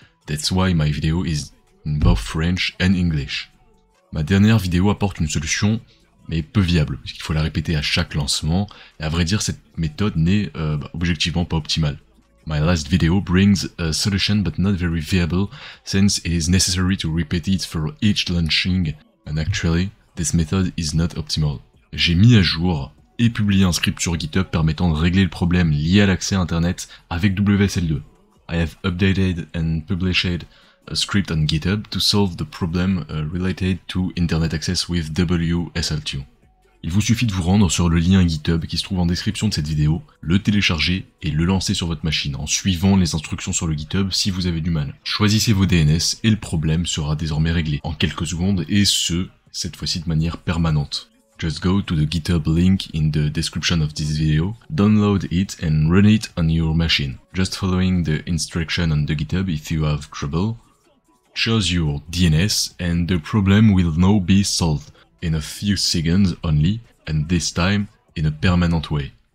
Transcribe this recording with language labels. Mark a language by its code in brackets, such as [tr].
[en] That's why my video is in both French and English. [fr] Ma dernière vidéo apporte une solution, mais peu viable, puisqu'il faut la répéter à chaque lancement, et à vrai dire, cette méthode n'est objectivement pas optimale. [en] My last video brings a solution but not very viable, since it is necessary to repeat it for each launching, and actually, this method is not optimal. [fr] J'ai mis à jour et publié un script sur GitHub permettant de régler le problème lié à l'accès à Internet avec WSL2. [en] I have updated and published a script on GitHub to solve the problem related to internet access with WSL2. [fr] Il vous suffit de vous rendre sur le lien GitHub qui se trouve en description de cette vidéo, le télécharger et le lancer sur votre machine en suivant les instructions sur le GitHub si vous avez du mal. Choisissez vos DNS et le problème sera désormais réglé en quelques secondes et ce, cette fois-ci de manière permanente. [en] Just go to the GitHub link in the description of this video, download it and run it on your machine. Just following the instruction on the GitHub if you have trouble, choose your DNS and the problem will now be solved in a few seconds only and this time in a permanent way.